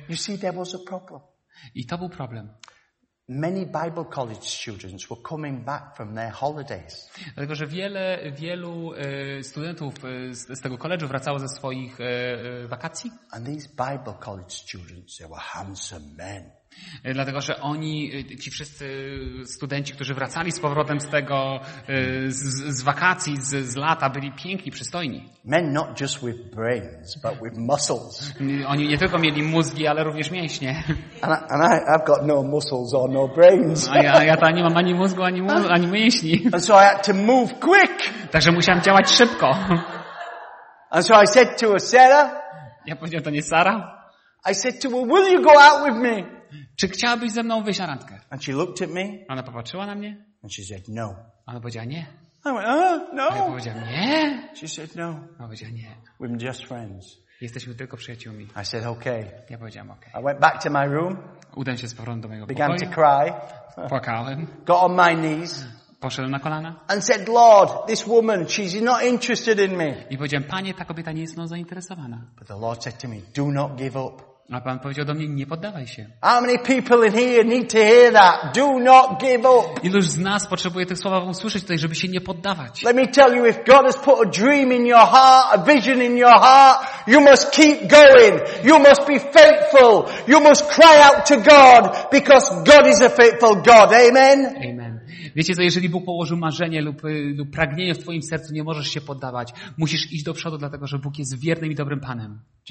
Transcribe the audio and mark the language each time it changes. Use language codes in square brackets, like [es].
[en] You see, there was a problem. [pl] I to był problem. [en] Many Bible college students were coming back from their holidays. [pl] Dlatego, że wielu studentów z tego koledżu wracało ze swoich wakacji. [en] And these Bible college students, they were handsome men. [pl] Dlatego, że oni, ci wszyscy studenci, którzy wracali z powrotem z tego, z wakacji, z lata, byli piękni, przystojni. [en] Men not just with brains, but with muscles. [pl] Oni nie tylko mieli mózgi, ale również mięśnie. [en] I've got no muscles or no brains. [pl] A ja to nie mam ani mózgu, ani mięśni. [en] And so I had to move quick. [pl] Także musiałem działać szybko. [en] And so I said to her, Sarah. [pl] Ja powiedziałem, to nie Sara. [en] I said to her, will you go out with me? [pl] Czy chciałabyś ze mną wyjść na randkę? [en] And she looked at me. [pl] Ona popatrzyła na mnie. [en] And she said no. [pl] Ona powiedziała nie. [en] I went, no. [pl] A ja powiedziałem nie. [en] She said no. [pl] Ona powiedziała nie. [en] We're just friends. [pl] Jesteśmy tylko przyjaciółmi. [en] I said okay. [pl] Ja powiedziałem okay. [en] I went back to my room. [pl] Udałem się z powrotem do mojego pokoju. [en] Began to cry. [pl] Płakałem. [en] Got on my knees. [pl] Poszedłem na kolana. [en] And said, Lord, this woman, she's not interested in me. [pl] I powiedziałem, Panie, ta kobieta nie jest mną zainteresowana. [en] But the Lord said to me, do not give up. [pl] A Pan powiedział do mnie, nie poddawaj się. [en] How many people in here need to hear that? Do not give up. [pl] Iluż z nas potrzebuje tych słów usłyszeć tutaj, żeby się nie poddawać. [en] Let me tell you, if God has put a dream in your heart, a vision in your heart, you must keep going. You must be faithful. You must cry out to God, because God is a faithful God. Amen. [pl] Amen. Wiecie co, jeżeli Bóg położył marzenie lub pragnienie w twoim sercu, nie możesz się poddawać. Musisz iść do przodu, dlatego że Bóg jest wiernym i dobrym Panem.